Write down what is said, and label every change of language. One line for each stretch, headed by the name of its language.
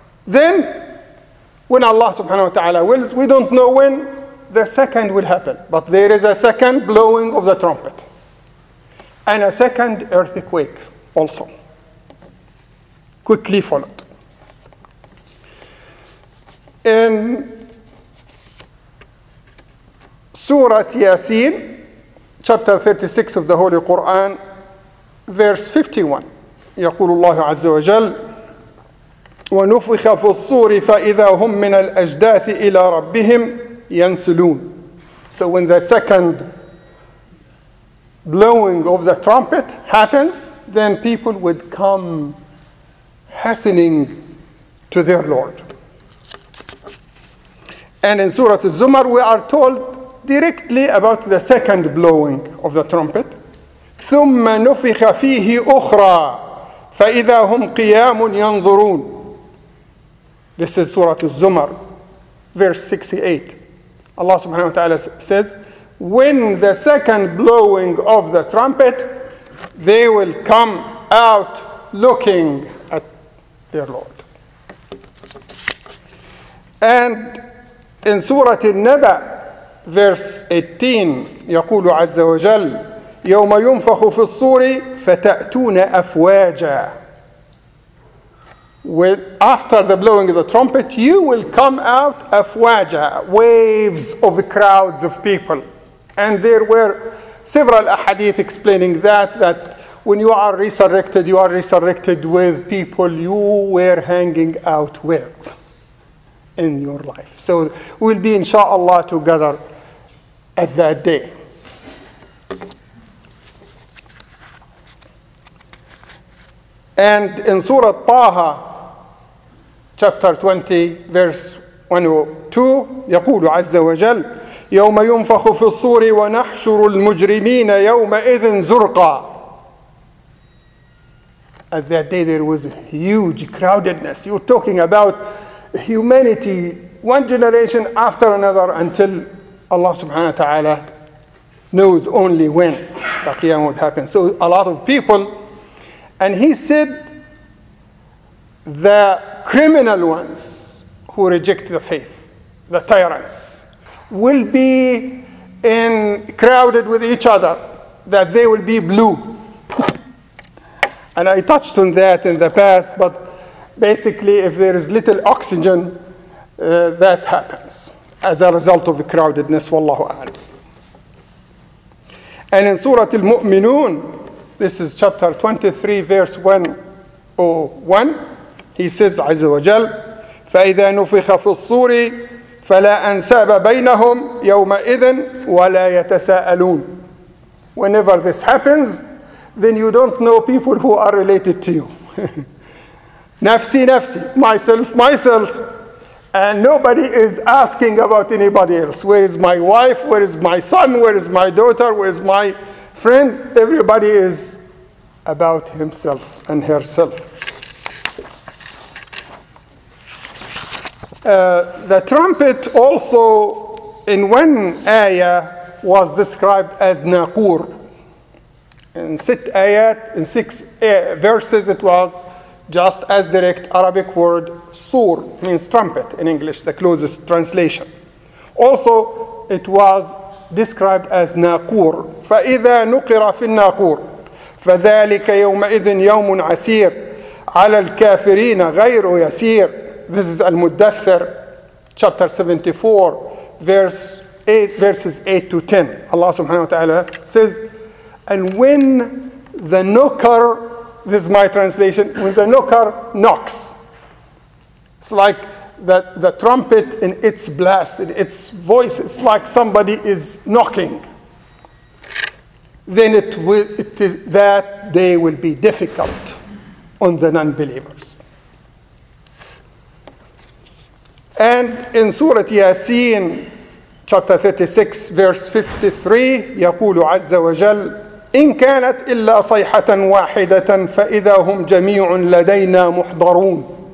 English: Then, when Allah subhanahu wa ta'ala wills, we don't know when the second will happen, but there is a second blowing of the trumpet. And a second earthquake also, quickly followed. In Surah Yasin, chapter 36 of the Holy Quran, verse 51,
Arabic: يقول الله عز وجل وَنُفِخَ فِي الصُّورِ فَإِذَا هُمْ مِنَ الْأَجْدَاثِ إِلَى رَبِّهِمْ يَنْسُلُونَ.
English: So when the second blowing of the trumpet happens, then people would come hastening to their Lord. And in Surah Az-Zumar, we are told directly about the second blowing of the trumpet.
Arabic: ثُمَّ نُفِخَ فِيهِ أُخْرَى فَإِذَا هُمْ قِيَامٌ يَنْظُرُونَ.
English: This is Surah Az-Zumar, verse 68. Allah subhanahu wa ta'ala says, when the second blowing of the trumpet, they will come out looking at their Lord. And in Surah An-Naba, verse 18,
Arabic: يقول عز وجل يوم ينفخ في الصور فتأتون أفواجا.
English: When, after the blowing of the trumpet, you will come out
Arabic: أفواجا,
English: waves of crowds of people. And there were several ahadith explaining that when you are resurrected, you are resurrected with people you were hanging out with in your life. So we'll be, inshallah, together at that day. And in Surah Taha, chapter 20, verse 102,
Arabic: يقول عز وجل يوم ينفخ في الصور ونحشر المجرمين يومئذ زرقا.
English: At that day there was a huge crowdedness. You're talking about humanity, one generation after another, until Allah subhanahu wa ta'ala knows only when the qiyam would happen. So a lot of people. And he said the criminal ones who reject the faith, the tyrants, will be in crowded with each other, that they will be blue. And I touched on that in the past, but basically if there is little oxygen, that happens as a result of the crowdedness, wallahu a'lam. And in Surah Al-Mu'minun, this is chapter 23, verse 101, he says,
Arabic: عَزَّ وَجَلَّ فَإِذَا نُفِخَ فِي الصُّورِ فَلَا أَنْسَابَ بَيْنَهُمْ يَوْمَئِذٍ وَلَا يَتَسَاءَلُونَ.
English: Whenever this happens, then you don't know people who are related to you. Nafsi, nafsi, myself, myself. And nobody is asking about anybody else. Where is my wife? Where is my son? Where is my daughter? Where is my friend? Everybody is about himself and herself. The trumpet also in one ayah was described as naqur. In six ayat, in six verses, it was just as direct Arabic word sur, means trumpet in English, the closest translation. Also, it was described as ناقور.
Arabic: فإذا نقر في الناقور فذلك يومئذ يوم عسير على الكافرين غير يسير.
English: This is Al-Muddathir, chapter 74, verses 8 to 10. Allah subhanahu wa ta'ala says, and when the knocker, this is my translation, when the knocker knocks, it's like the trumpet in its blast, in its voice, it's like somebody is knocking. Then that day will be difficult on the non-believers. And in Surah Yasin, chapter 36, verse 53,
Arabic: يقول عز وجل, إن كانت إلا صيحة واحدة فإذا هم جميع لدينا محضرون.